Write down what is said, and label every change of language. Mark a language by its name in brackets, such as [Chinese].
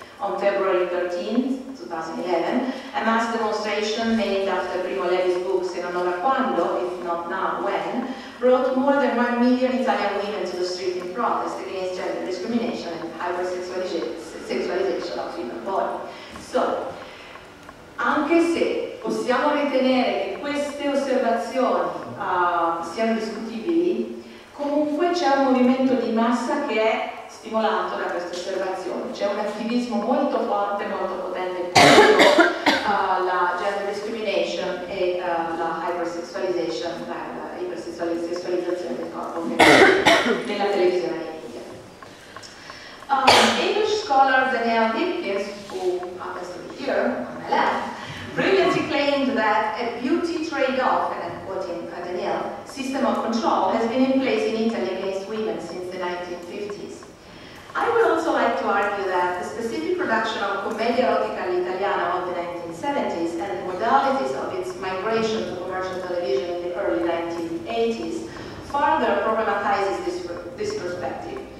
[English] On February 13, 2011, a mass demonstration named after Primo Levi's book Se non ora quando, if not now, when, brought more than 1 million Italian women to the street in protest against gender discrimination and hypersexualization of female body. [Italian] So, anche se possiamo ritenere che queste osservazioni siano discutibili, comunque c'è un movimento di massa che è stimolato da queste osservazioni. C'è un attivismo molto forte, molto potente contro la gender discrimination e la hypersexualization, la ipersessualizzazione del corpo nella televisione in India. [English] English scholar Danielle Hipkins, who happens to be here on my left, brilliantly claimed that a beauty trade-off, and I'm quoting Danielle, system of control has been in place in Italy against women since the 1950s. I would also like to argue that the specific production of Commedia erotica all'italiana of the 1970s and the modalities of its migration to commercial television in the early 1980s further problematizes this perspective.